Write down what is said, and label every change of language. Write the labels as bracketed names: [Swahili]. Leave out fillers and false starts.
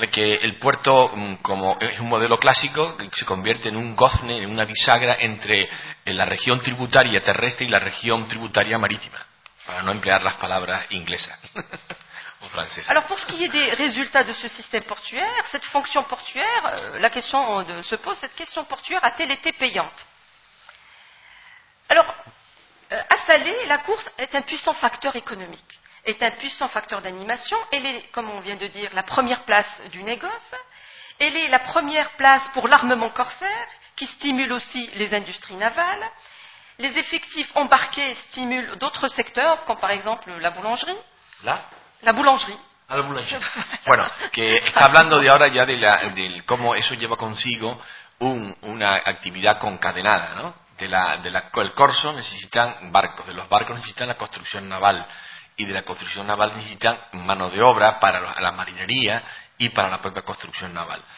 [Spanish] Que el puerto, como es un modelo clásico, se convierte en un gozne, en una bisagra entre la región tributaria terrestre y la región tributaria marítima, para no emplear las palabras inglesas o francesas. [French] Alors, pour ce qui est des résultats de ce système portuaire, cette fonction portuaire, la question se pose, cette question portuaire a-t-elle été payante? Alors, à Salé, la course est un puissant facteur économique, est un puissant facteur d'animation. Elle est, comme on vient de dire, la première place du négoce. Elle est la première place pour l'armement corsaire, qui stimule aussi les industries navales. Les effectifs embarqués stimulent d'autres secteurs, comme par exemple la boulangerie. La boulangerie. À la boulangerie. [Spanish] Bueno, que está hablando de ahora ya de la, del cómo eso lleva consigo una actividad concadenada, ¿no? El corso necesitan barcos, de los barcos necesitan la construcción naval, y de la construcción naval necesitan mano de obra para la marinería y para la propia construcción naval.